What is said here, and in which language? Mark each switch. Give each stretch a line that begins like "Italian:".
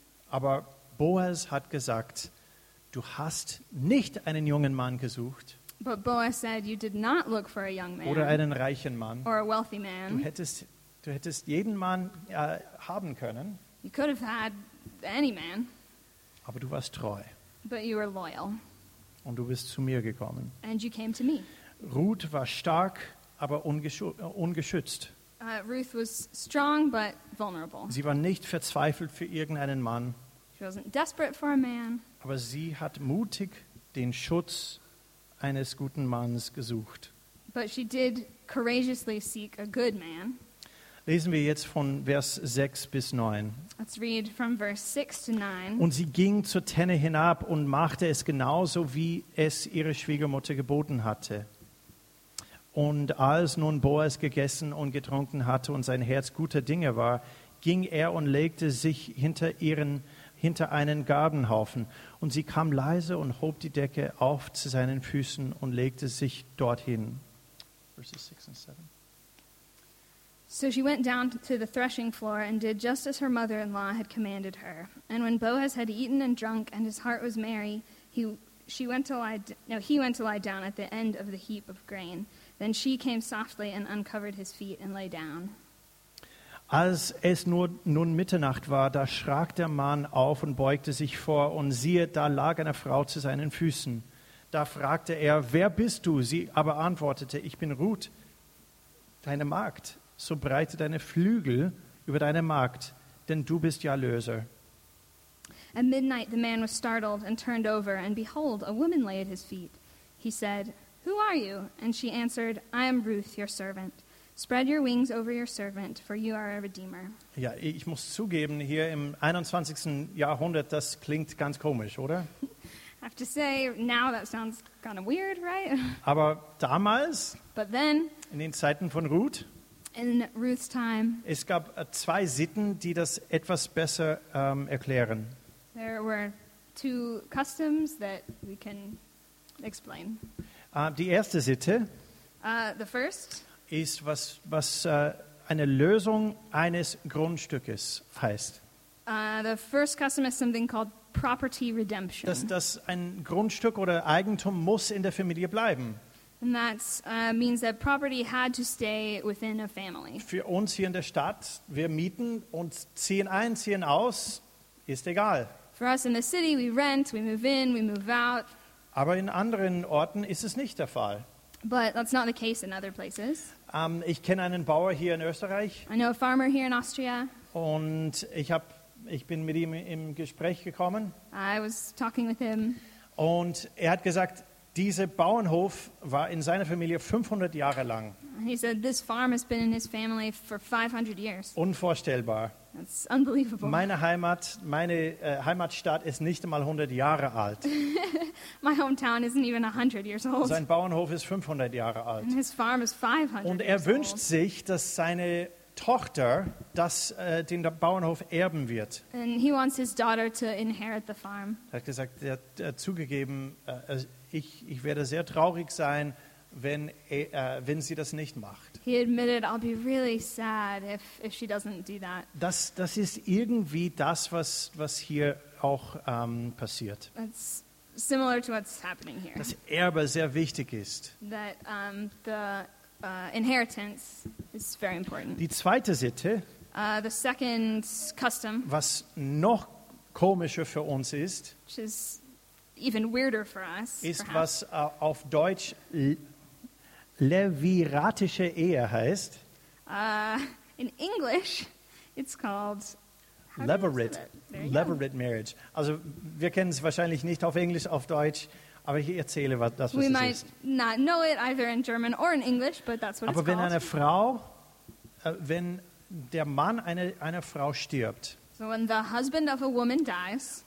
German: Aber Boaz hat gesagt, du hast nicht einen jungen Mann gesucht.
English: But Boaz said you did not look for a young man.
German: Oder einen reichen Mann.
English: Or a wealthy man.
German: Du hättest jeden Mann haben können.
English: You could have had any man.
German: Aber du warst treu.
English: But you were loyal.
German: Und du bist zu mir gekommen.
English: And you came to me.
German: Ruth war stark, aber ungeschützt.
English: Ruth was strong but vulnerable.
German: Sie war nicht verzweifelt für irgendeinen Mann.
English: She wasn't desperate for a man.
German: Aber sie hat mutig den Schutz eines guten Mannes gesucht.
English: But she did courageously seek a good man.
German: Lesen wir jetzt von Vers 6 bis 9.
English: Let's read from verse 6 to 9.
German: Und sie ging zur Tenne hinab und machte es genauso, wie es ihre Schwiegermutter geboten hatte. Und als nun Boaz gegessen und getrunken hatte und sein Herz guter Dinge war, ging er und legte sich hinter einen Gabenhaufen. Und sie kam leise und hob die Decke auf zu seinen Füßen und legte sich dorthin.
English: Verses 6 and 7. So she went down to the threshing floor and did just as her mother-in-law had commanded her. And when Boaz had eaten and drunk and his heart was merry, he went to lie down at the end of the heap of grain. Then she came softly and uncovered his feet and lay down.
German: Als es nun Mitternacht war, da schrak der Mann auf und beugte sich vor, und siehe, da lag eine Frau zu seinen Füßen. Da fragte er, wer bist du? Sie aber antwortete, ich bin Ruth, deine Magd. So breite deine Flügel über deine Magd, denn du bist ja Löser.
English: At midnight the man was startled and turned over, and behold, a woman lay at his feet. He said, who are you? And she answered, I am Ruth, your servant. Spread your wings over your servant, for you are a redeemer.
German: Ja, ich muss zugeben, hier im 21. Jahrhundert, das klingt ganz komisch, oder?
English: I have to say, now that sounds kind of weird, right?
German: Aber damals,
English: but then,
German: in den Zeiten von Ruth,
English: in Ruth's time,
German: es gab zwei Sitten, die das etwas besser erklären.
English: There were two customs that we can explain.
German: Die erste Sitte
English: the first
German: ist, was eine Lösung eines Grundstückes heißt.
English: The first custom is something called property redemption.
German: Dass ein Grundstück oder Eigentum muss in der Familie bleiben.
English: And that means that property had to stay within a family.
German: Für uns hier in der Stadt, wir mieten und ziehen ein, ziehen aus, ist egal.
English: For us in the city, we rent, we move in, we move out.
German: Aber in anderen Orten ist es nicht der Fall.
English: But that's not the case in other places.
German: Ich kenne einen Bauer hier in Österreich.
English: I know a farmer here in Austria.
German: Und ich bin mit ihm im Gespräch gekommen.
English: I was talking with him.
German: Und er hat gesagt, dieser Bauernhof war in seiner Familie 500 Jahre lang.
English: He said this farm has been in his family for 500 years.
German: Unvorstellbar.
English: That's unbelievable.
German: Meine Heimatstadt ist nicht einmal 100 Jahre alt.
English: My hometown isn't even 100 years old.
German: Sein Bauernhof ist 500 Jahre alt.
English: And his farm is 500.
German: Und er wünscht sich, dass seine Tochter den Bauernhof erben wird.
English: And he wants his daughter to inherit the farm.
German: Er hat gesagt, er hat zugegeben, ich werde sehr traurig sein, wenn sie das nicht macht.
English: He admitted, I'll be really sad if she doesn't do that.
German: Das ist irgendwie das, was hier auch passiert.
English: That's similar to what's happening here.
German: Dass Erbe sehr wichtig ist.
English: That inheritance is very important.
German: Die zweite Sitte,
English: the second custom,
German: was noch komischer für uns ist,
English: which is even weirder for us,
German: ist,
English: perhaps,
German: was auf Deutsch leviratische Ehe heißt.
English: In English, it's called Leveret marriage.
German: Also, wir kennen es wahrscheinlich nicht auf Englisch, auf Deutsch, aber ich erzähle was das ist.
English: We might not know it either in German or in English, but that's what it's
German: Aber wenn eine Frau, wenn der Mann einer Frau stirbt,
English: so when the husband of a woman dies,